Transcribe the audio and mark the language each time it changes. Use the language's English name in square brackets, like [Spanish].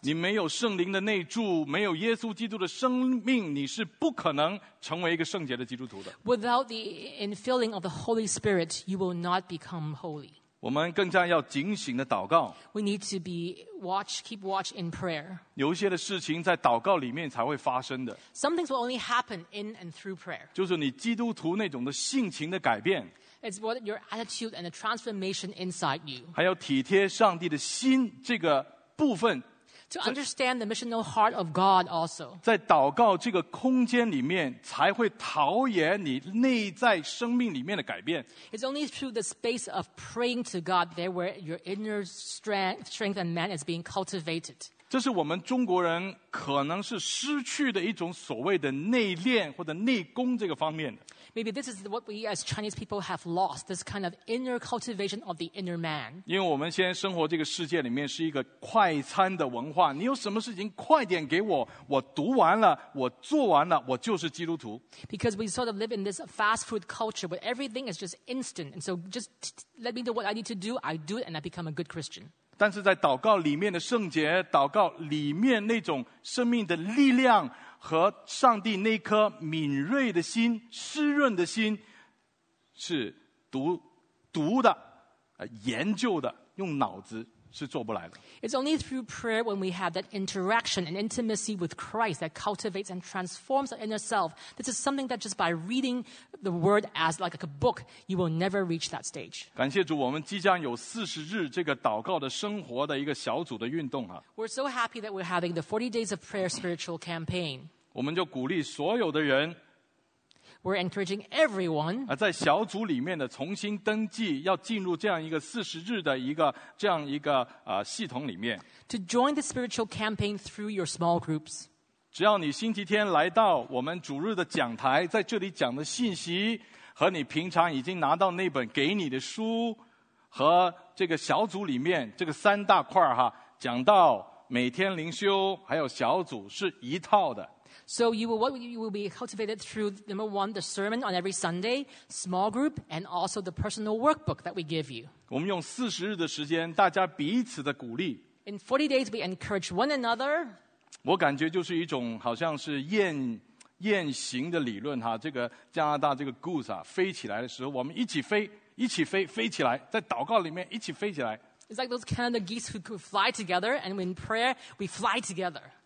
[Chinese] 你没有圣灵的内住，没有耶稣基督的生命，你是不可能成为一个圣洁的基督徒的。 [English] Without the infilling of the Holy Spirit, you will not become holy. [Chinese] 我们更加要警醒的祷告。 [English] We need to be watch, keep watch in prayer. [Chinese] 有一些的事情在祷告里面才会发生的。 [English] Some things will only happen in and through prayer. [Chinese] 就是你基督徒那种的性情的改变。 [English] It's what your attitude and the transformation inside you. [Chinese] 还有体贴上帝的心这个部分。 [English] To understand the missional heart of God also. [Chinese] 在祷告这个空间里面才会陶冶你内在生命里面的改变。 [English] It's only through the space of praying to God there where your inner strength and man is being cultivated. [Chinese] 这是我们中国人可能是失去的一种所谓的内练或者内功这个方面的。 [English] Maybe this is what we as Chinese people have lost, this kind of inner cultivation of the inner man. [Chinese] 因为我们现在生活这个世界里面是一个快餐的文化，你有什么事情快点给我，我读完了，我做完了，我就是基督徒。 [English] Because we sort of live in this fast food culture where everything is just instant, and so just let me know what I need to do, I do it and I become a good Christian. [Chinese] 但是在祷告里面的圣洁，祷告里面那种生命的力量和上帝那颗敏锐的心、湿润的心，是读的、研究的，用脑子 [English] It's only through prayer when we have that interaction and intimacy with Christ that cultivates and transforms our inner self. This is something that just by reading the word as like a book, you will never reach that stage. [Chinese] 感谢主, 我们即将有40日 这个祷告的生活的一个小组的运动, [English] We're so happy that we're having the 40 days of prayer spiritual campaign. [Chinese] 我们就鼓励所有的人, [English] We're encouraging everyone [Chinese] 在小组里面的重新登记, 要进入这样一个40日的一个系统里面, [English] to join the spiritual campaign through your small groups. [Chinese] 只要你星期天来到我们主日的讲台, 在这里讲的信息, 和你平常已经拿到那本给你的书, 和这个小组里面, 这个三大块, 讲到每天灵修, 还有小组, 是一套的。 [English] So you will be cultivated through, number one, the sermon on every Sunday, small group, and also the personal workbook that we give you. [Chinese] 我们用40日的时间, 大家彼此的鼓励, [English] In 40 days, we encourage one another. [Chinese] 我感觉就是一种好像是雁行的理论, 这个加拿大这个goose, 飞起来的时候, 我们一起飞, 一起飞, 飞起来, 在祷告里面一起飞起来。 [English] It's like those Canada geese who could fly together, and in prayer, we fly together.